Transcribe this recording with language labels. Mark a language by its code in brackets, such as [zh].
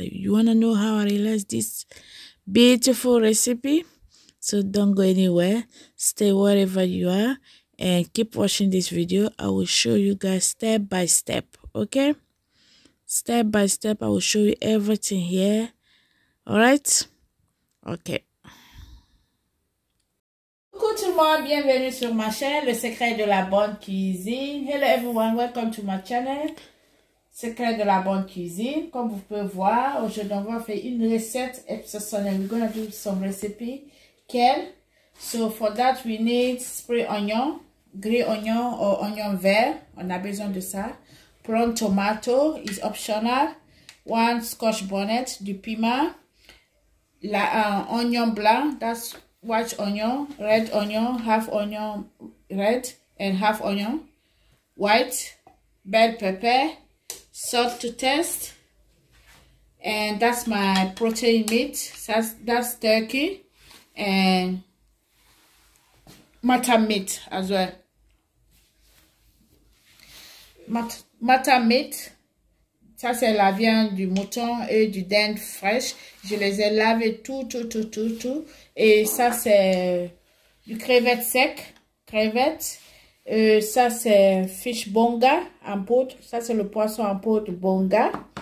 [en] You wanna know how I realized this beautiful recipe? So don't go anywhere, stay wherever you are and keep watching this video. I will show you guys step by step, okay? Step by step, I will show you everything here. All right? Okay. [fr] Coucou tout le monde, bienvenue sur ma chaîne, le secret de la bonne cuisine. [en] Hello everyone, welcome to my channel, secret de la bonne cuisine. [fr] Comme vous pouvez voir, aujourd'hui on va faire une recette exceptionnelle. [en] We're gonna do some recipe. Quelle? So for that we need spray onion, gris onion or onion vert. [fr] On a besoin de ça. [en] Prune tomato is optional. One scotch bonnet, [fr] du piment, [en] onion blanc, that's white onion, red onion, half onion red and half onion white, bell pepper, salt to taste, and that's my protein meat, that's turkey, and mutton meat as well. [fr] Mutton meat, ça c'est la viande du mouton et du dinde fraîche. Je les ai lavés tout. Et ça c'est du crevette sec, crevette. Ça c'est fish bonga en poudre. Ça c'est le poisson en poudre bonga.